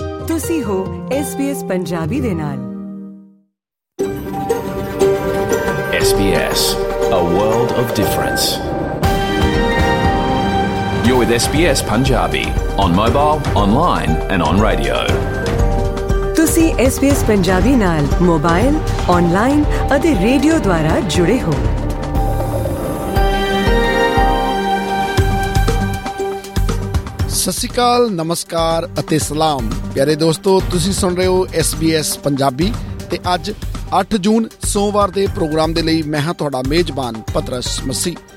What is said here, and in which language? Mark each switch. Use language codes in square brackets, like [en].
[pa] ਤੁਸੀਂ ਹੋ SBS ਪੰਜਾਬੀ ਦੇ ਨਾਲ। [en] SBS, a world of difference. You're with SBS Punjabi on mobile, online and on radio. [pa] ਤੁਸੀਂ SBS Punjabi ਨਾਲ ਮੋਬਾਈਲ, ਆਨਲਾਈਨ ਅਤੇ ਰੇਡੀਓ ਦੁਆਰਾ ਜੁੜੇ ਹੋ। ਸਤਿ ਸ਼੍ਰੀ ਅਕਾਲ, ਨਮਸਕਾਰ ਅਤੇ ਸਲਾਮ ਪਿਆਰੇ ਦੋਸਤੋ, ਤੁਸੀਂ ਸੁਣ ਰਹੇ ਹੋ SBS ਪੰਜਾਬੀ ਤੇ ਅੱਜ 8 ਜੂਨ ਸੋਮਵਾਰ ਦੇ ਪ੍ਰੋਗਰਾਮ ਦੇ ਲਈ ਮੈਂ ਹਾਂ ਤੁਹਾਡਾ ਮੇਜ਼ਬਾਨ ਪਤਰਸ ਮੱਸੀ।